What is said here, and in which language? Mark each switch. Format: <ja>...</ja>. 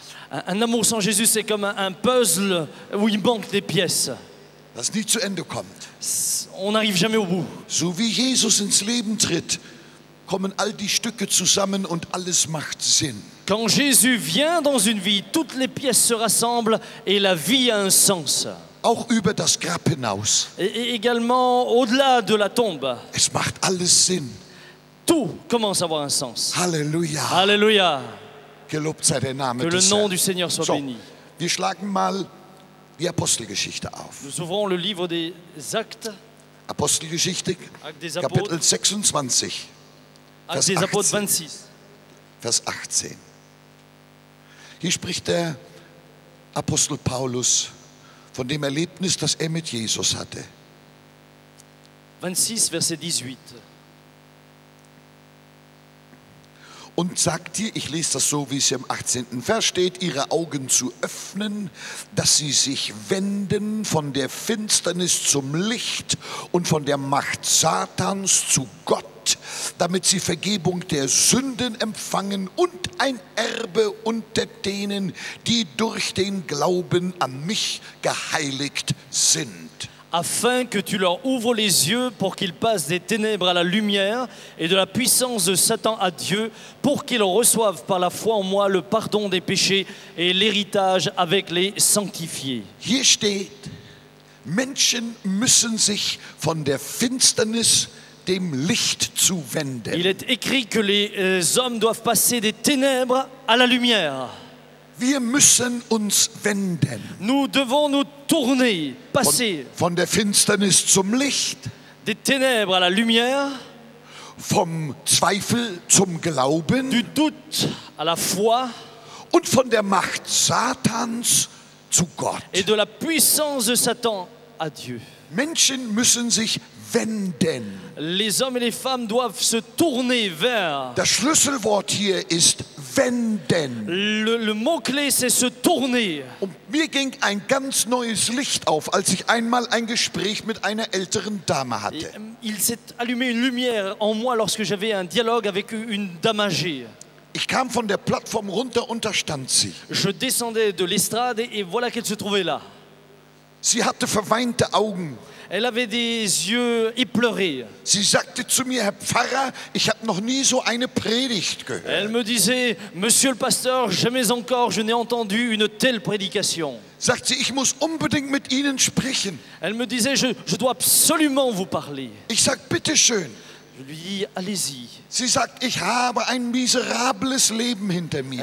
<fr>Un amour sans Jésus, c'est comme un puzzle où il manque des pièces.</fr> <de>Das nie zu Ende kommt.</de> <fr>On n'arrive jamais au bout.</fr> <de>So wie Jesus ins Leben tritt, kommen all die Stücke zusammen und alles macht Sinn.</de> <fr>Quand Jésus vient dans une vie, toutes les pièces se rassemblent et la vie a un sens.</fr> <de>Auch über das Grab hinaus.</de> <fr>Et également au-delà de la tombe.</fr> <de>Es macht alles Sinn.</de> <fr>Tout commence à avoir un sens.</fr> <de>Halleluja.</de> <fr>Halleluja.</fr> <de>Gelobt sei der Name des Herrn.</de> <fr>Que le nom du Seigneur soit béni.</fr> <de>Wir schlagen mal die Apostelgeschichte auf.</de> <fr>Nous ouvrons le livre des Actes.</fr> <de>Apostelgeschichte, Kapitel 26.</de> <fr>Actes des Apôtres 26.</fr> <de>Vers 18. Hier spricht der Apostel Paulus von dem Erlebnis, das er mit Jesus hatte. 26, Vers 18. Und sagt ihr, ich lese das so, wie es im 18. Vers steht, ihre Augen zu öffnen, dass sie sich wenden von der Finsternis zum Licht und von der Macht Satans zu Gott, damit sie Vergebung der Sünden empfangen und ein Erbe unter denen, die durch den Glauben an mich geheiligt sind.</de> <fr>Afin que tu leur ouvres les yeux pour qu'ils passent des ténèbres à la lumière et de la puissance de Satan à Dieu, pour qu'ils reçoivent par la foi en moi le pardon des péchés et l'héritage avec les sanctifiés.</fr> <de>Hier steht, Menschen müssen sich von der Finsternis dem Licht zu wenden.</de> <fr>Il est écrit que les hommes doivent passer des ténèbres à la lumière.</fr> <de>Wir müssen uns wenden.</de> <fr>Nous devons nous tourner, passer.</fr> <de>Von der Finsternis zum Licht.</de> <fr>Des ténèbres à la lumière.</fr> <de>Vom Zweifel zum Glauben.</de> <fr>Du doute à la foi.</fr> <de>Und von der Macht Satans zu Gott.</de> <fr>Et de la puissance de Satan à Dieu.</fr> <de>Menschen müssen sich wenden.</de> <fr>Les hommes et les femmes doivent se tourner vers.</fr> <de>Das Schlüsselwort hier ist wenden.</de> <fr>Le mot-clé, c'est se tourner.</fr> <de>Und mir ging ein ganz neues Licht auf, als ich einmal ein Gespräch mit einer älteren Dame hatte.</de> <fr>Il s'est allumé une lumière en moi lorsque j'avais un dialogue avec une dame âgée.</fr> <de>Ich kam von der Plattform runter und da stand sie.</de> <fr>Je descendais de l'estrade et voilà qu'elle se trouvait là.</fr> <de>Sie hatte verweinte Augen.</de> <fr>Elle avait des yeux éplorés.</fr> <de>Sie sagte zu mir, Herr Pfarrer, ich habe noch nie so eine Predigt gehört.</de> <fr>Elle me disait, Monsieur le Pasteur, jamais encore je n'ai entendu une telle prédication.</fr> <de>Sagt sie, ich muss unbedingt mit Ihnen sprechen.</de> <fr>Elle me disait, je dois absolument vous parler.</fr> <de>Ich sag, bitte schön.</de> <fr>Je lui dis, allez-y.</fr> <de>Sie sagt, ich habe ein miserables Leben hinter mir.</de>